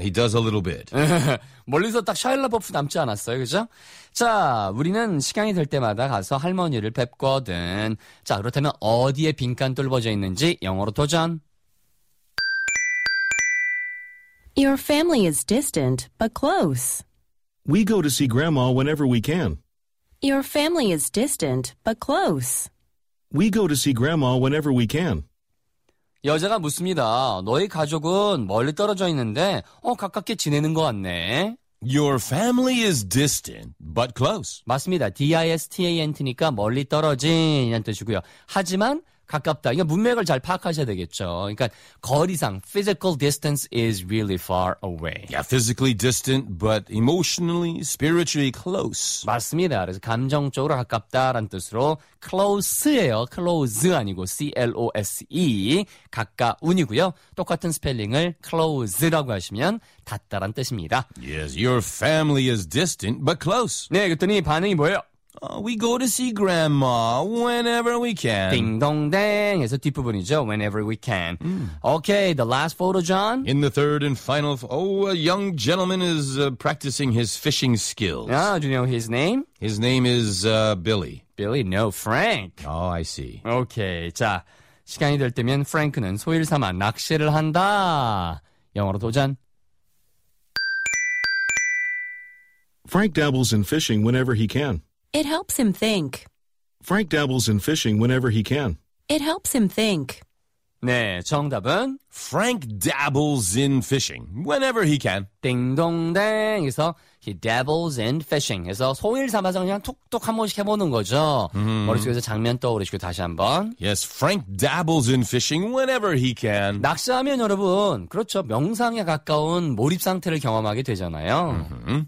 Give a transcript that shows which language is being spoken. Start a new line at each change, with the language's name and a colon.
English: He does a little bit.
Korean: 멀리서 딱 Shia LaBeouf 닮지 않았어요, 그죠? 자, 우리는 시간이 될 때마다 가서 할머니를 뵙거든. 자, 그렇다면 어디에 빈칸 뚫어져 있는지 영어로 도전.
English: Your family is distant, but close. We go to see grandma whenever we can. Your family is distant, but close. We go to see grandma whenever we can.
Korean: 여자가 묻습니다. 너희 가족은 멀리 떨어져 있는데 가깝게 지내는 것 같네.
English: Your family is distant, but close.
Korean: 맞습니다. distant니까 멀리 떨어진이라는 뜻이고요. 하지만 가깝다. 이거 문맥을 잘 파악하셔야 되겠죠. 그러니까 거리상
English: physical distance is really far away. Yeah, physically distant but emotionally, spiritually close.
Korean: 맞습니다. 그래서 감정적으로 가깝다라는 뜻으로 close예요. close 아니고 close. 가까운이고요. 똑같은 스펠링을 close라고 하시면 닿다라는 뜻입니다.
English: Yes, your family is distant but close.
Korean: 네, 그랬더니 반응이 뭐예요?
English: We go to see grandma whenever we can.
Korean: 딩동댕 해서 뒷부분이죠.
English: Whenever we can. Okay, the last photo, John. In the third and final a young gentleman is practicing his fishing skills. Ah, do you know his name? His name is Billy. Billy? No, Frank. Oh, I see.
Korean: Okay, 자, 시간이 될 때면 프랭크는 소일 삼아 낚시를 한다. 영어로 도전.
English: Frank dabbles in fishing whenever he can. It helps him think. Frank dabbles in fishing whenever he can. It helps him think.
Korean: 네, 정답은
English: Frank dabbles in fishing whenever he can.
Korean: 딩동댕 해서
English: he dabbles in fishing
Korean: 해서 소일 삼아서 그냥 톡톡 한 번씩 해보는 거죠. 머릿속에서 장면 떠오르시고 다시 한번.
English: Yes, Frank dabbles in fishing whenever he can.
Korean: 낚시하면 여러분, 그렇죠. 명상에 가까운 몰입 상태를 경험하게 되잖아요.